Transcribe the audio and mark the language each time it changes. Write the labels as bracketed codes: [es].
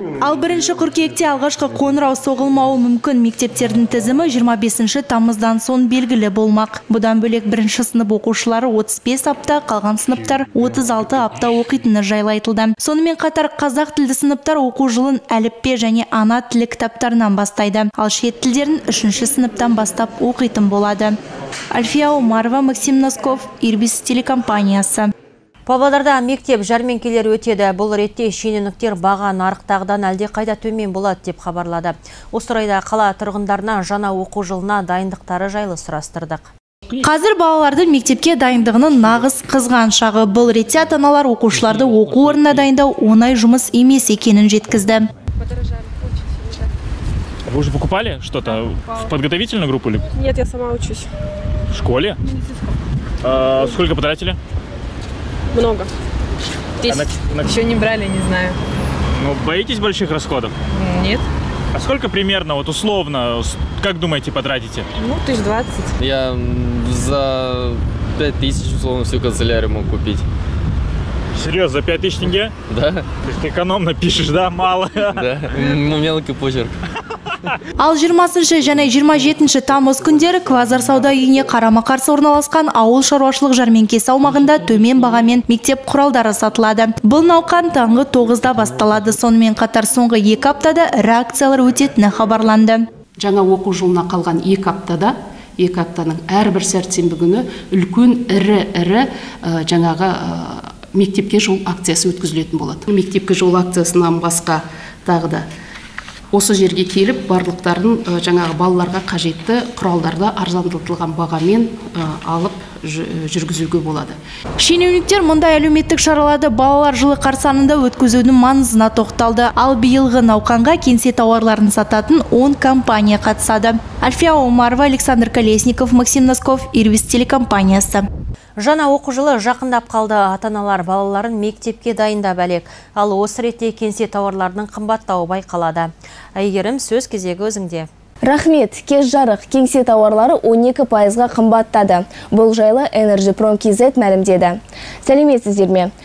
[kk] Ал 1-ші қыркүйекте алғашқы қоңырау соғылмауы мүмкін мектептердің тізімі 25-ші тамыздан соң белгілі болмақ. Бұдан бөлек 1-ші сынып оқушылары 35 апта, қалған сыныптар 36 апта оқитыны жайлы айтылды. Сонымен қатар қазақ тілді сыныптар оқу жылын әліппе және ана тілі кітаптарынан бастайды. Ал шет тілдерін 3-ші сыныптан бастап оқитын болады. Альфия Омарова, Максим Носков, ЮБИС телекомпаниясы. Павлодарда мектеп жәрменкелері өтеді. Бұл ретте шенеуніктер баға нарықтағыдан әлде қайда төмен болады деп хабарлады. Осы орайда қала тұрғындарына жаңа оқу жылына дайындықтары жайлы сұрастырдық. Қазір балалардың мектепке дайындығының нағыз қызған шағы. Бұл ретте ата-аналар оқушыларды оқу орнына дайындау оңай жұмыс емес екенін жеткізді. [ru] Вы уже покупали что-то в подготовительную группу или? Нет, я сама учусь. В школе? Сколько потратили? Много. Еще не брали, не знаю. Ну, боитесь больших расходов? Нет. А сколько примерно, вот условно, как думаете, потратите? Ну, 1020. Я за 5000 условно всю канцелярию мог купить. Серьезно, за 5000 тенге? Да. То есть ты экономно пишешь, да, мало? Да, мелкий почерк. [kk] Ал 20-шы және 27-ші тамыз күндері Квазар сауда үйіне қарама-қарсы орналасқан ауыл шаруашылық жәрменкесі аумағында төмен бағамен мектеп құралдары сатылады. Бұл науқан таңғы 9-да басталады. Сонымен қатар соңғы 2 аптада реакциялар өтетіні хабарланды. Жаңа оқу жылына қалған 2 аптада, 2 аптаның әрбір сәрсенбі күні үлкен ірі-ірі жаңағы мектепке жол акциясы өткізілетін болады. Мектепке жол акциясынан басқа тағы да осы жерге келіп, барлықтарын жаңағы балаларға қажетті құралдарды арзандылған бағамен алып жүргізуге болады. Шенеуніктер мұндай әлеуметтік шаралады балалар жылы қарсаңында өткізудің маңызына тоқталды. Ал биылғы науқанға кеңсе тауарларын сататын 10 компания қатысады. Альфия Омарова, Александр Колесников, Максим Носков, Ирвис телекомпаниясы. Жаңа оқу жылы жақындап қалды. Ата-аналар балаларын мектепке дайындап әлек. Ал осы ретте кеңсе тауарларының қымбаттауы байқалады. Әйгерім, сөз кезегі өзіңде. Рахмет, кез жарық, кеңсе тауарлары 12%-ға қымбаттады. Бұл жайлы Energy.com.kz мәлімдеді. Сәлеметсіздер ме?